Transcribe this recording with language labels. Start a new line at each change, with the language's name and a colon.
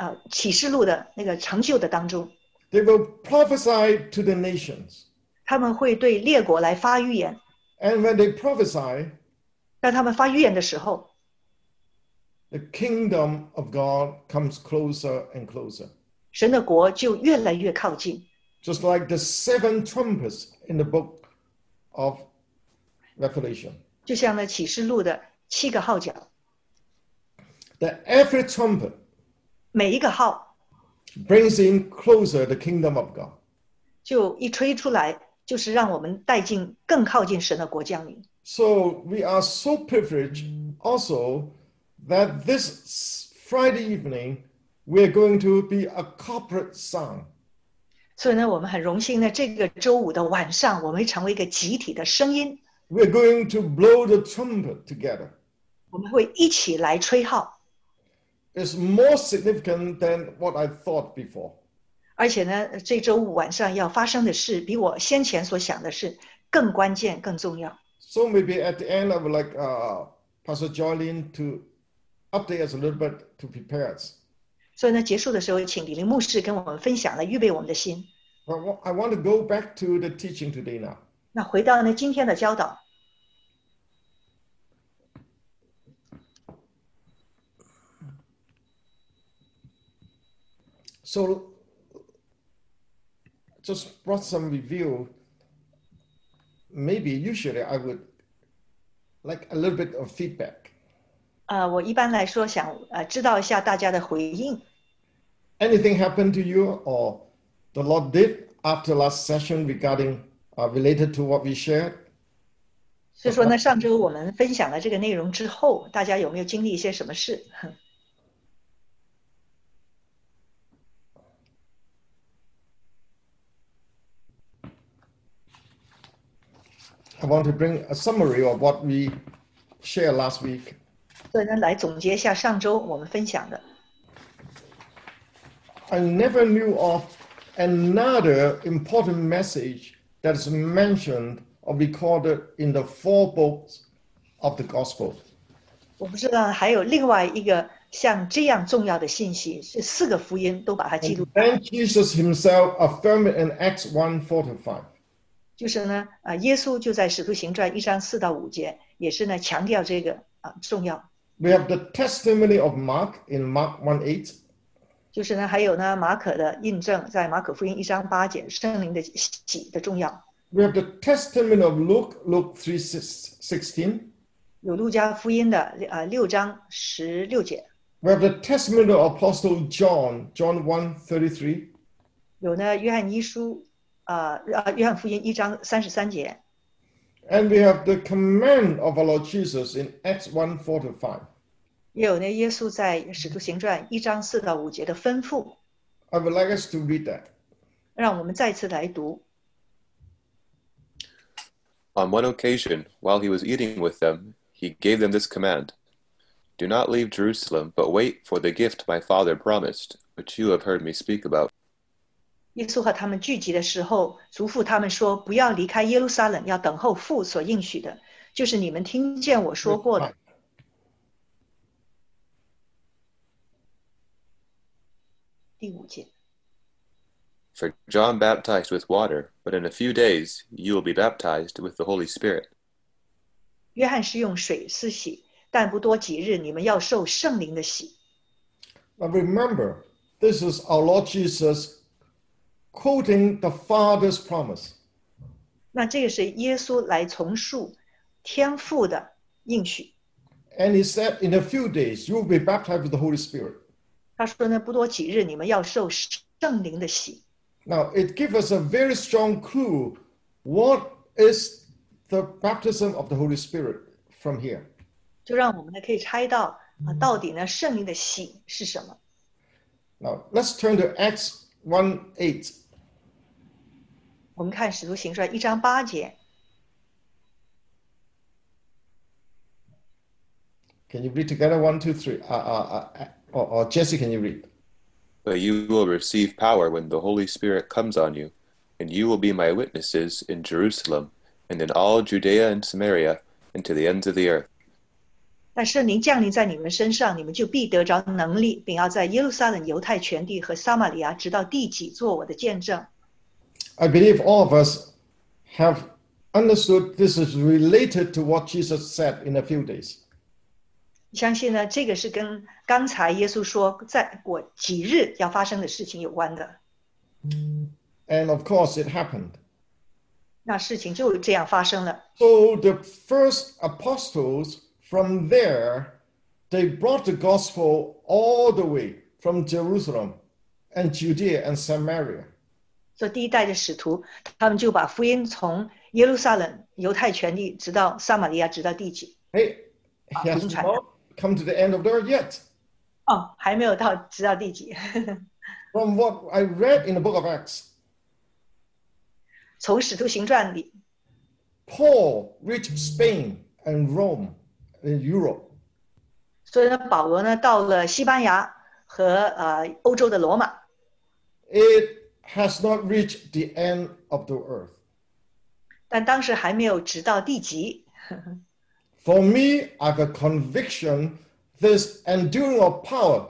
Chinese: 启示录的那个成就的当中。
English: They will prophesy to the nations.
Chinese: 他们会对列国来发预言。
English: And when they prophesy,
Chinese: 当他们发预言的时候，
English: the kingdom of God comes closer and closer.
Chinese: 神的国就越来越靠近。
English: Just like the seven trumpets in the book of Revelation.
Chinese: 就像那启示录的七个号角。
English: That every trumpet
Chinese: 每一个号
English: brings in closer the kingdom of God.
Chinese: 就一吹出来，就是让我们带进更靠近神的国降临。
English: So we are so privileged also that this Friday evening we are going to be a corporate song.
Chinese: 所以呢，我们很荣幸呢，这个周五的晚上，我们成为一个集体的声音。
English: We are going to blow the trumpet together.
Chinese: 我们会一起来吹号。
English: It's more significant than what I thought before.
Chinese: 而且呢，这周五晚上要发生的事，比我先前所想的事更关键、更重要。
English: So maybe at the end, I would like Pastor Jolene to update us a little bit to prepare us.
Chinese: 所以呢，结束的时候，请李林牧师跟我们分享了预备我们的心。
English: I want to go back to the teaching today now.
Chinese: 那回到呢今天的教导。
English: So, just brought some review. Maybe usually I would like a little bit of feedback.
Chinese: 我一般来说想知道一下大家的回应。
English: Anything happened to you or the Lord did after last session regarding related to what we shared?
Chinese: 所以说呢，上周我们分享了这个内容之后，大家有没有经历一些什么事？
English: I want to bring a summary of what we shared last week.
Chinese: 对，那来总结一下上周我们分享的。
English: I never knew of another important message that is mentioned or recorded in the four books of the Gospel.
Chinese: 我不知道还有另外一个像这样重要的信息，是四个福音都把它记录。
English: And Jesus himself affirmed it in Acts 1:4-5.
Chinese: 就是呢，耶稣就在《使徒行传》1:4-5，也是呢强调这个重要。
English: We have the testimony of Mark in Mark 1:8。
Chinese: 就是呢，还有呢马可的印证，在马可福音1:8，圣灵的喜的重要。
English: We have the testimony of Luke 3:16。
Chinese: 有路加福音的6:16。
English: We have the testimony of Apostle John 1:33。
Chinese: 有呢，约翰一书。约翰福音1:33。
English: And we have the command of our Lord Jesus in Acts 1:4-5.
Chinese: 也有呢，耶稣在使徒行传1:4-5的吩咐。
English: I would like us to read that.
Chinese: 让我们再次来读。
English: On one occasion, while he was eating with them, he gave them this command: Do not leave Jerusalem, but wait for the gift my Father promised, which you have heard me speak about.
Chinese: 耶稣和他们聚集的时候，嘱咐他们说：“不要离开耶路撒冷，要等候父所应许的，就是你们听见我说过的。”
English: 5. For John baptized with water, but in a few days you will be baptized with the Holy Spirit.
Chinese: 约翰是用水施洗，但不多几日，你们要受圣灵的洗。
English: Now remember, this is our Lord Jesus. Quoting the Father's promise.
Chinese: 那这个是耶稣来重述天父的应许。
English: And he said, in a few days, you will be baptized with the Holy Spirit.
Chinese: 他说呢，不多几日，你们要受圣灵的洗。
English: Now, it gives us a very strong clue. What is the baptism of the Holy Spirit from here?
Chinese: 就让我们可以猜到，到底呢，圣灵的洗是什么。
English: Now, let's turn to Acts 1:8.
Chinese: 我们看《使徒行传》1:8。
English: Can you read together 1, 2, 3? Or Jesse, can you read? But you will receive power when the Holy Spirit comes on you, and you will be my witnesses in Jerusalem, and in all Judea and Samaria, and to the ends of the earth.
Chinese: 但圣灵降临在你们身上，你们就必得着能力，并要在耶路撒冷、犹太全地和撒玛利亚直到地极做我的见证。
English: I believe all of us have understood this is related to what Jesus said in a few days.
Chinese: 相信呢，这个是跟刚才耶稣说再过几日要发生的事情有关的。
English: And of course, it happened.
Chinese: 那事情就这样发生了。
English: So the first apostles. From there, they brought the gospel all the way from Jerusalem and Judea and Samaria.
Chinese: So, 第一代的使徒，他们就把福音从耶路撒冷、犹太全地，直到撒玛利亚，直到地极。
English: Hey, has not come to the end of the earth yet.
Chinese: 哦，还没有到，直到地极。
English: From what I read in the book of Acts,
Chinese: 从使徒行传里
English: Paul reached Spain and Rome. In Europe.
Chinese: 所以呢，保罗呢到了西班牙和欧洲的罗马。
English: It has not reached the end of the earth.
Chinese: 但当时还没有直到地极。
English: For me, I have a conviction this enduring of power.